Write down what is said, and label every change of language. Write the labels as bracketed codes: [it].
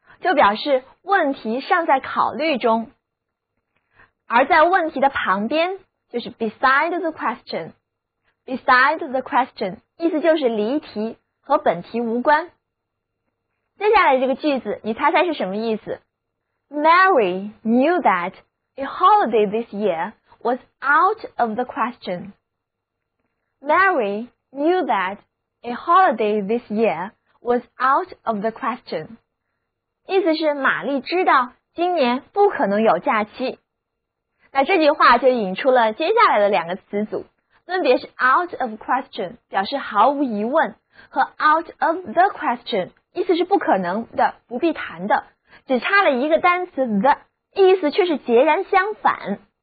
[zh] 就表示问题尚在考虑中。而在问题的旁边就是 [en] beside the question. Beside the question [zh] 意思就是离题，和本题无关。接下来这个句子你猜猜是什么意思？ [en] Mary knew that a holiday this year was out of the question. Maryknew that a holiday this year was out of the question. [zh] 意思是玛丽知道今年不可能有假期。那这句话就引出了接下来的两个词组，分别是 [en] out of question [zh] 表示毫无疑问，和 [en] out of the question [zh] 意思是不可能的、不必谈的，只差了一个单词 the， 意思却是截然相反。